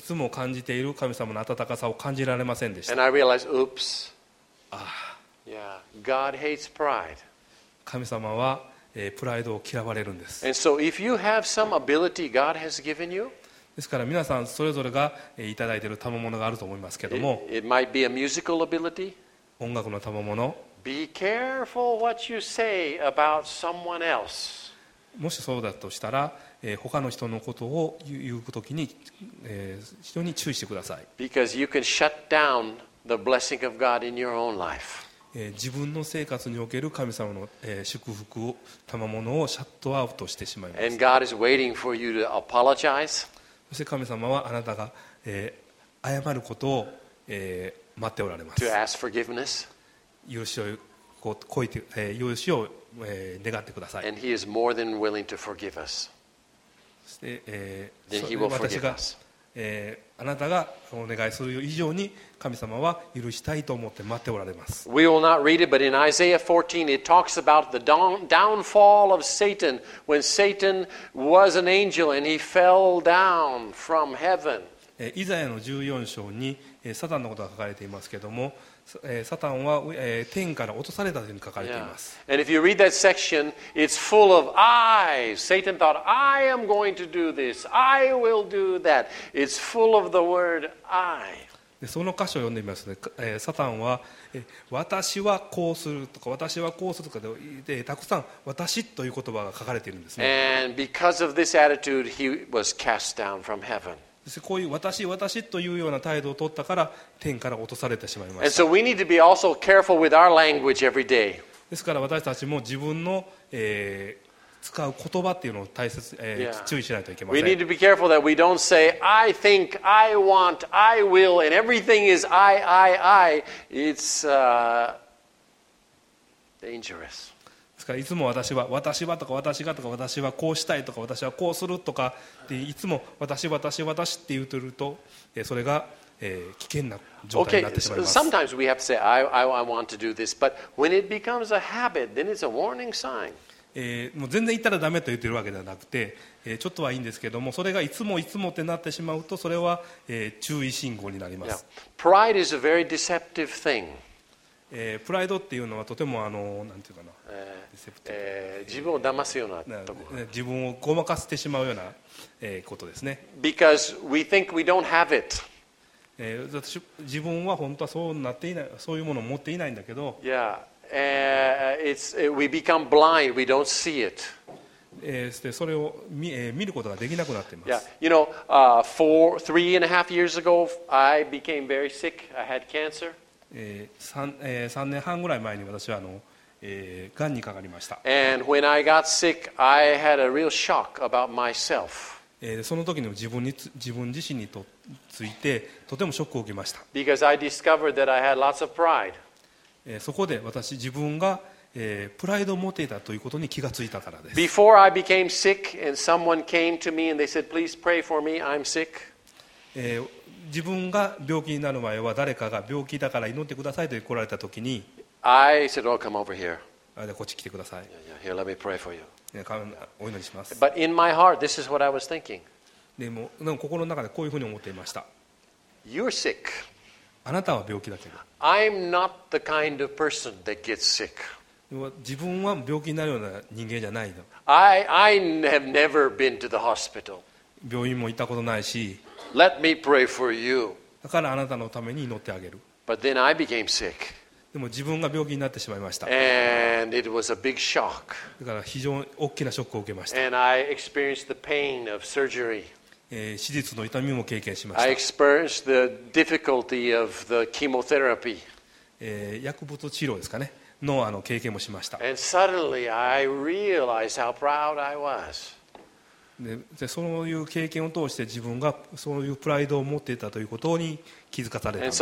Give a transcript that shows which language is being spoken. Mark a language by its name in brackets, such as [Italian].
[Japanese] 感じている神様の温かさを感じられませんでした。 [English] And I realized, oops. Yeah. God hates pride. [Japanese] 神様はプライドを嫌われるんです。 [English] And so if you have some ability God has given you, [Japanese] ですから皆さんそれぞれがいただいている賜物があると思いますけれども、 [English] it might be a musical ability, [Japanese] 音楽の賜物、 [English] be careful what you say about someone else. [Japanese] もしそうだとしたら、他の人のことを言うときに、非常に注意してください。 [English] Because you can shut down the blessing of God in your own life. [Japanese] 自分の生活における神様の祝福を、賜物をシャットアウトしてしまいます。 [English] And God is waiting for you to apologize. [Japanese] そして神様はあなたが謝ることを待っておられます。 [English] To ask forgiveness. [Japanese] 許しを乞いて、許しを願ってください。 [English] And He is more than willing to forgive us. [Japanese] そして、 [English] Then He will forgive us. [Japanese] あなたがお願いする以上に神様は許したいと思って待っておられます。 [English] We will not read it, but in Isaiah 14 it talks about the downfall of Satan when Satan was an angel and he fell down from heaven. [Japanese] イザヤの14章にサタンのことが書かれていますけれども、サタンは天から落とされたというふうに書かれています。 Yeah. [English] And if you read that section, it's full of I. Satan thought, I am going to do this. I will do that. It's full of the word I. [Japanese] その箇所を読んでみますね。サタンは、私はこうするとか、私はこうするとかで、たくさん私という言葉が書かれているんですね。 [English] And because of this attitude, he was cast down from heaven. [Japanese] こういう私私というような態度を取ったから天から落とされてしまいました。 [English] And so we need to be also careful with our language every day. [Japanese] ですから私たちも自分の、使う言葉っていうのを大切、注意しないといけません。 [English] We need to be careful that we don't say I think, I want, I will, and everything is I. It's dangerous. [Japanese] いつも私は私はとか私がとか私はこうしたいとか私はこうするとかっていつも私私私って言うとるとそれが危険な状態になってしまいます。 [English] Okay, sometimes we have to say I want to do this, but when it becomes a habit, then it's a warning sign. [Japanese] もう全然言ったらダメと言ってるわけではなくて、ちょっとはいいんですけども、それがいつもいつもってなってしまうとそれは注意信号になります。 [English] Yeah. Pride is a very deceptive thing. [Japanese] プライドっていうのはとても何て言うかな、自分を騙すようなとこ、自分をごまかしてしまうような、ことですね。 [English] Because we think we don't have it. [Japanese] 自分は本当はそうなっていない、そういうものを持っていないんだけど。 [English] Yeah. We become blind. We don't see it. [Japanese] それを 見ることができなくなっています。 Yeah. [English] You know, three and a half years ago, I became very sick. I had cancer. [Japanese] 3年半ぐらい前に私はがんにかかりました。 [English] And when I got sick, I had a real shock about myself. [Japanese] その時にも自分自身にとついてとてもショックを受けました。 [English] Because I discovered that I had lots of pride. [Japanese] そこで私自分が、プライドを持っていたということに気がついたからです。 [English] Before I became sick, and someone came to me and they said, "Please pray for me. I'm sick." [Japanese] 自分が病気になる前は誰かが病気だから祈ってくださいと来られたときに、 [English] I said, oh, come over here. [Japanese] こっち来てください。 [English] Yeah, yeah. Here, let me pray for you. [Japanese] お祈りします。 [English] But in my heart, this is what I was thinking. [Japanese] でも心の中でこういうふうに思っていました。 [English] You're sick. [Japanese] あなたは病気だけど。 [English] I'm not the kind of person that gets sick. [Japanese] 自分は病気になるような人間じゃないの。 [English] I have never been to the hospital. [Japanese] 病院も行ったことないし、 [English] Let me pray for you. [Japanese] だからあなたのために祈ってあげる。 [English] But then I became sick. [Japanese] でも自分が病気になってしまいました。 [English] And it was a big shock. [Japanese] だから非常に大きなショックを受けました。 [English] And I experienced the pain of surgery. [Japanese] 手術の痛みも経験しました。 [English] I experienced the difficulty of the chemotherapy. [Japanese] 薬物治療ですかね。の、 あの経験もしました。 And suddenly I realized how proud I was. でそういう経験を通して自分がそういうプライドを持っていたということに気づかされたんです。